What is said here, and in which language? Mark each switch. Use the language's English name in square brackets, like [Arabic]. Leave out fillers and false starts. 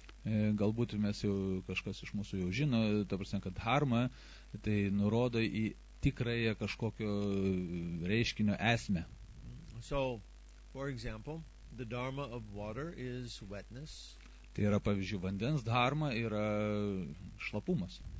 [Lithuanian] Galbūt mes jau kažkas iš mūsų jau žino, ta prasme, kad dharma tai nurodo į tikrąją kažkokio reiškinio esmę. [English] So, for example, the dharma of water is wetness. [Lithuanian] Tai yra, pavyzdžiui, vandens dharma yra šlapumas.